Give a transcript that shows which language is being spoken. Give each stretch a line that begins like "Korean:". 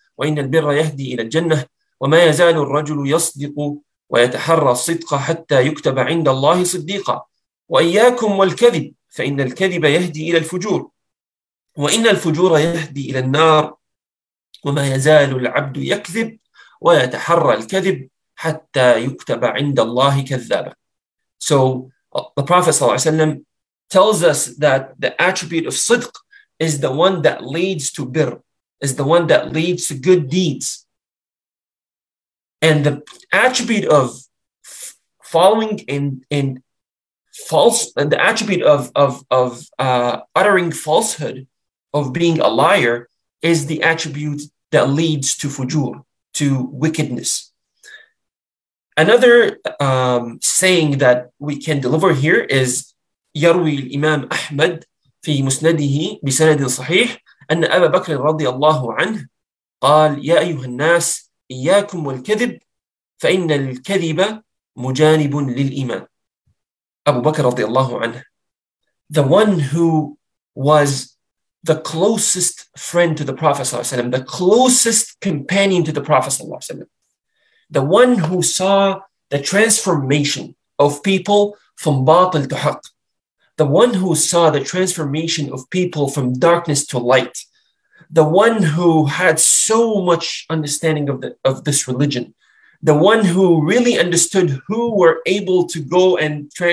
Arabic: وإن البر يهدي إلى الجنة، وما يزال الرجل يصدق ويتحرى الصدق حتى يكتب عند الله صديقا. وإياكم والكذب، فإن الكذب يهدي إلى الفجور، وإن الفجور يهدي إلى النار، وما يزال العبد يكذب ويتحرى الكذب حتى يكتب عند الله كذابا.
English: So the Prophet
Arabic: صلى الله عليه وسلم
English: tells us that the attribute of صدق is the one that leads to birr, is the one that leads to good deeds. And the attribute of following in false, and the attribute of uttering falsehood, of being a liar, is the attribute that leads to fujur, to wickedness. Another saying that we can deliver here is
Arabic: يروي الإمام أحمد في مسنده بسند صحيح أن أبا بكر رضي الله عنه قال يا أيها الناس إياكم والكذب فإن الكذب مجانب للإيمان.
English: أبو بكر
Arabic: رضي الله عنه,
English: the one who was the closest friend to the Prophet
Arabic: صلى الله عليه وسلم,
English: the closest companion to the Prophet صلى الله عليه وسلم, the one who saw the transformation of people from باطل to حق, the one who saw the transformation of people from darkness to light, the one who had so much understanding of this religion, the one who really understood who were able to go and